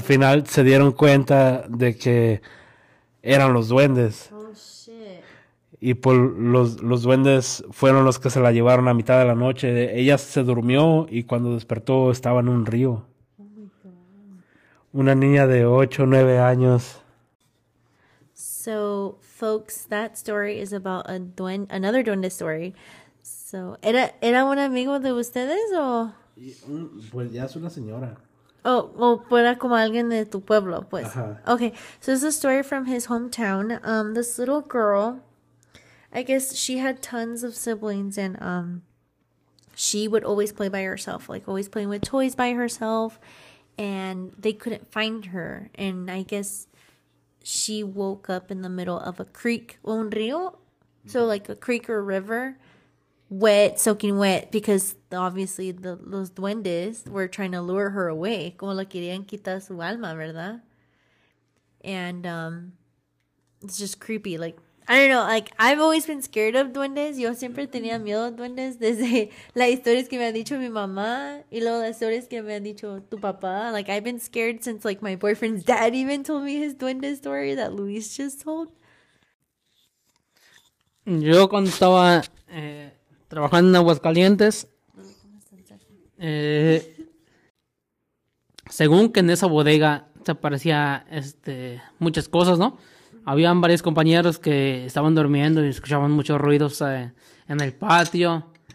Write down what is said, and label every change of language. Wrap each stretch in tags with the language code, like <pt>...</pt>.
<es>final se dieron cuenta de que eran los duendes.</es> <en>Oh, shit.</en> <es>Y por los duendes fueron los que se la llevaron a mitad de la noche. Ella se durmió y cuando despertó estaba en un río. Una niña de 8, 9 años.</es> <en>So, folks, that story is about a duende, another duende story.</en> <es>So, ¿era un amigo de ustedes o...? Pues ya es una señora. O fuera como alguien de tu pueblo, pues. Ajá.</es> <en>Okay, so this is a story from his hometown. This little girl, I guess she had tons of siblings, and she would always play by herself, like always playing with toys by herself, and they couldn't find her. And I guess she woke up in the middle of a creek,</en> <es>un río,</es> <en>so like a creek or river. Wet, soaking wet, because obviously the los duendes were trying to lure her away.</en> <es>Como la querían quitar su alma, ¿verdad?</es> <en>And it's just creepy. Like, I don't know. Like, I've always been scared of duendes.</en> <es>Yo siempre tenía miedo de duendes desde las historias que me ha dicho mi mamá y luego las historias que me ha dicho tu papá.</es> <en>Like, I've been scared since, like, my boyfriend's dad even told me his duende story that Luis just told.</en> <es>Yo cuando estaba trabajando en Aguascalientes, según que en esa bodega se aparecía muchas cosas, ¿no? Habían varios compañeros que estaban durmiendo y escuchaban muchos ruidos en el patio.</es>